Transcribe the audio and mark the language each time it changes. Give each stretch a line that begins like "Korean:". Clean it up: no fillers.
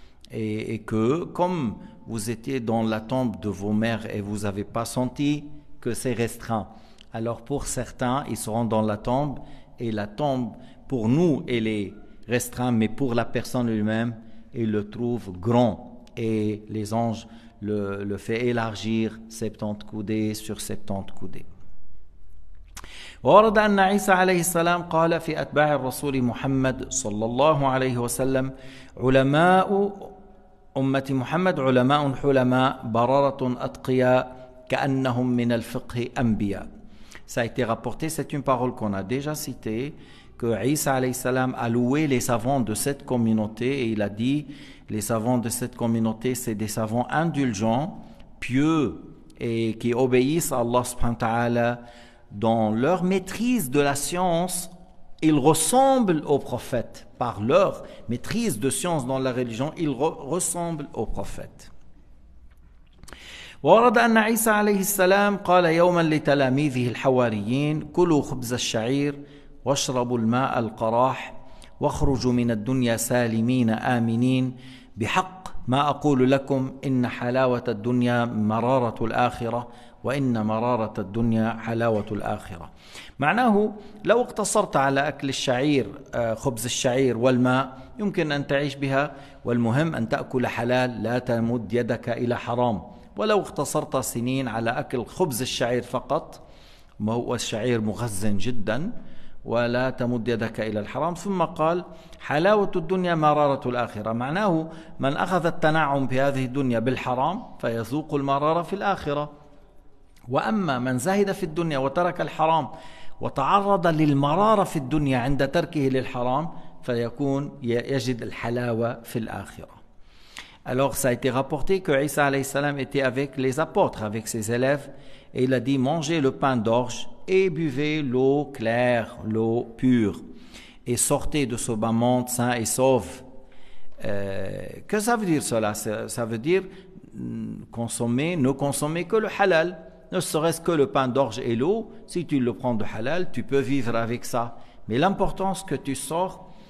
French: Et que comme vous étiez dans la tombe de vos mères et vous n'avez pas senti que c'est restreint, alors pour certains, ils seront dans la tombe. Et la tombe, pour nous, elle est restreinte, mais pour la personne lui-même, il le trouve grand. Et les anges le fait élargir 70 coudées sur 70 coudées.
Arabic: ورد أن عيسى عليه السلام قال في أتباع الرسول محمد صلى الله عليه وسلم علماء أمة محمد علماء حلماء بررة أتقياء كأنهم من الفقه أنبياء.
French: Ça a été rapporté, c'est une parole qu'on a déjà citée, que Isa alayhi salam a loué les savants de cette communauté et il a dit les savants de cette communauté, c'est des savants indulgents, pieux et qui obéissent à Allah subhanahu wa ta'ala dans leur maîtrise de la science. Ils ressemblent aux prophètes par leur maîtrise de science dans la religion. Ils ressemblent aux prophètes.
Arabic: ورد أن عيسى عليه السلام قال يوما لتلاميذه الحواريين كلوا خبز الشعير واشربوا الماء القراح واخرجوا من الدنيا سالمين آمنين بحق ما أقول لكم إن حلاوة الدنيا مرارة الآخرة وإن مرارة الدنيا حلاوة الآخرة. معناه لو اقتصرت على أكل الشعير خبز الشعير والماء يمكن أن تعيش بها، والمهم أن تأكل حلال لا تمد يدك إلى حرام. ولو اقتصرت سنين على أكل خبز الشعير فقط، وهو الشعير مغزن جدا ولا تمد يدك إلى الحرام، ثم قال حلاوة الدنيا مرارة الآخرة، معناه من أخذ التنعم في هذه الدنيا بالحرام فيذوق المرارة في الآخرة، وأما من زهد في الدنيا وترك الحرام وتعرض للمرارة في الدنيا عند تركه للحرام فيكون يجد الحلاوة في الآخرة.
French: Alors ça a été rapporté que Isa alayhi salam était avec les apôtres, avec ses élèves, et il a dit mangez le pain d'orge et buvez l'eau claire, l'eau pure, et sortez de ce bas monde sain et sauf. Que ça veut dire cela? Ça veut dire consommer, ne consommer que le halal, ne serait-ce que le pain d'orge et l'eau. Si tu le prends de halal, tu peux vivre avec ça. Mais l'importance que tu sors